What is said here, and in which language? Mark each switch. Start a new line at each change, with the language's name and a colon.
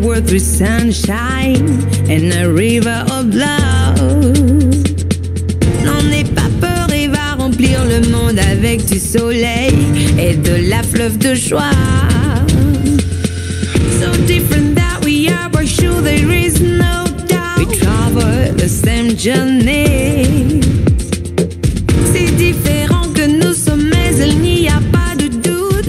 English: With sunshine and a river of love.
French: N'en aie pas peur et va remplir le monde avec du soleil et de la fleuve de joie.
English: So different that we are, but sure there is no doubt. We travel the same journey.
French: C'est différent que nous sommes, mais il n'y a pas de doute.